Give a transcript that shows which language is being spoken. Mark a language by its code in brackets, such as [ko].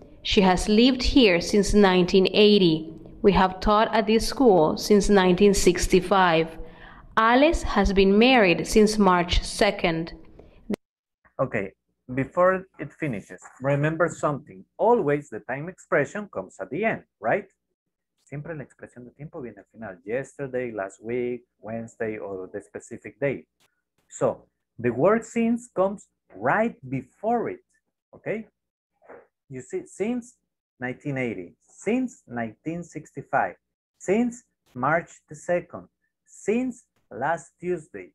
[en] She has lived here since 1980. We have taught at this school since 1965. Alice has been married since March 2nd. Okay, before it finishes, remember something. Always the time expression comes at the end, right? [es] Siempre la expresión de tiempo viene al final. [en] Yesterday, last week, Wednesday, or the specific day. So, the word since comes right before it, okay? You see, since 1980, since 1965, since March the 2nd, since last Tuesday.